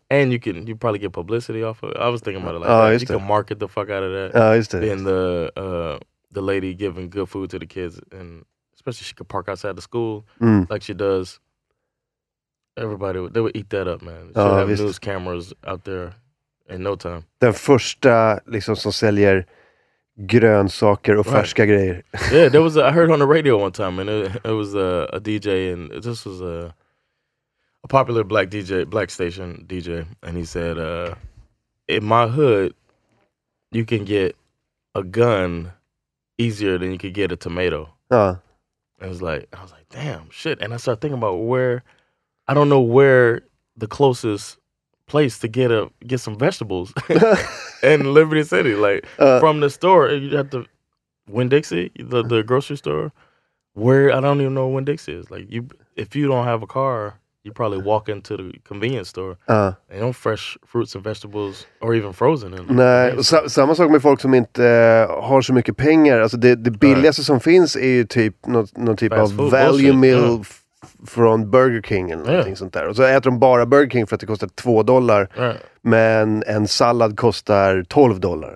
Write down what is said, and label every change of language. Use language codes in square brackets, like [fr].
[en] And you probably get publicity off of it. I was thinking about it like that. You can market the fuck out of that. [sv] Ja, just det. [en] Being the lady giving good food to the kids, and especially she could park outside the school like she does. Everybody, they would eat that up, man. She would have news cameras out there in no time. [sv] Den första liksom som säljer grönsaker och färska grejer. [en] Yeah, I heard on the radio one time, and it was a DJ, and this was a popular black DJ, black station DJ, and he said, in my hood, you can get a gun easier than you could get a tomato. I was like, damn, shit. And I started thinking about where the closest place to get some vegetables in Liberty City. Like, from the store, you have to, Winn-Dixie, the grocery store, where, I don't even know where Winn-Dixie is. Like, if you don't have a car, you probably walk into the convenience store. They don't fresh fruits and vegetables or even frozen. [sv] Samma sak med folk som inte har så mycket pengar. Alltså det billigaste som finns är ju typ någon typ av value meal från Burger King eller någonting sånt där. Och så äter de bara Burger King för att det kostar $2. [en] Right. [sv] Men en sallad kostar $12.